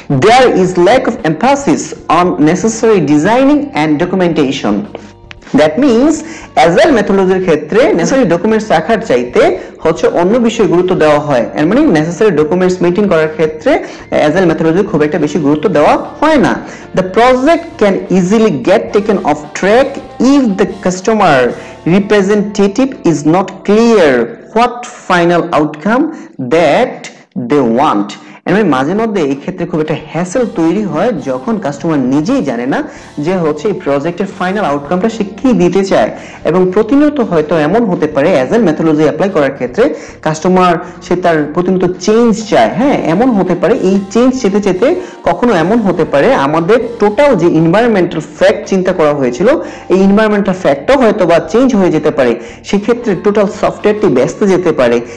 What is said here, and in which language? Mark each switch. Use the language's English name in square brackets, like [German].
[English] There is lack of emphasis on necessary designing and documentation. That means, [Bangla] agile methodology ক্ষেত্রে necessary documents রাখার চাইতে হচ্ছে অন্য বিষয়ে গুরুত্ব দেওয়া হয়, এর মানে necessary documents meeting করার ক্ষেত্রে agile methodology খুব একটা বেশি গুরুত্ব দেওয়া হয় না। [English] The project can easily get taken off track if the customer representative is not clear what final outcome that they want. [Bangla] এমনি মাঝে মধ্যে এই ক্ষেত্রে খুব একটা হ্যাসেল তৈরি হয় যখন কাস্টমার নিজেই জানে না যে হচ্ছে এই প্রজেক্টের ফাইনাল আউটকামটা সে কী দিতে চায়, এবং প্রতিনিয়ত হয়তো এমন হতে পারে অ্যাজাইল মেথোডোলজি অ্যাপ্লাই করার ক্ষেত্রে কাস্টমার সে তার প্রতিনিয়ত চেঞ্জ চায়। হ্যাঁ, এমন হতে পারে এই চেঞ্জ যেতে যেতে কখনো এমন হতে পারে আমাদের টোটাল যে এনভায়রনমেন্টাল ফ্যাক্ট চিন্তা করা হয়েছিল এই এনভায়রনমেন্টাল ফ্যাক্টও হয়তো বা চেঞ্জ হয়ে যেতে পারে, সেক্ষেত্রে টোটাল সফটওয়্যারটি ব্যস্ত যেতে পারে।